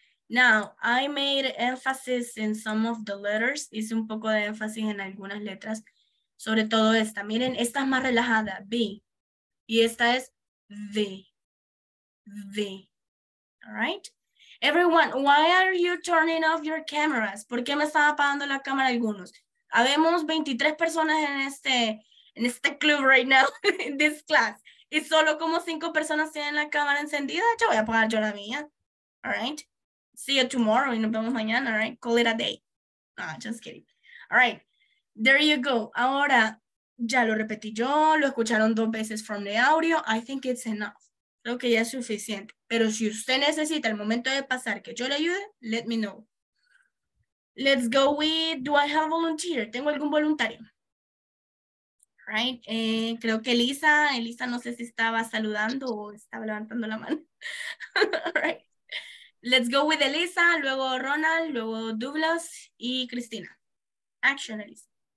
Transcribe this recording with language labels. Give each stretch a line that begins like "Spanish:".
English: Now, I made emphasis in some of the letters.
Spanish: Hice un poco de énfasis en algunas letras, sobre todo esta. Miren, esta es más relajada, B. Y esta es V, V. All right?
English: Everyone, why are you turning off your cameras?
Spanish: ¿Por qué me están apagando la cámara algunos? Habemos 23 personas en este club
English: right now, in this class.
Spanish: Y solo como 5 personas tienen la cámara encendida, yo voy a apagar yo la mía.
English: All right? See you tomorrow
Spanish: y nos vemos mañana,
English: all right? Call it a day. No, just kidding. All right, there you go.
Spanish: Ahora, ya lo repetí yo, lo escucharon dos veces
English: from the audio. I think it's enough.
Spanish: Creo que ya es suficiente. Pero si usted necesita el momento de pasar que yo le ayude,
English: let me know. Let's go with, do I have a volunteer?
Spanish: ¿Tengo algún voluntario? Right. Creo que Elisa, no sé si estaba saludando o estaba levantando la mano.
English: Right. Let's go with Elisa, luego Ronald, luego Douglas y Cristina. Action, Elisa.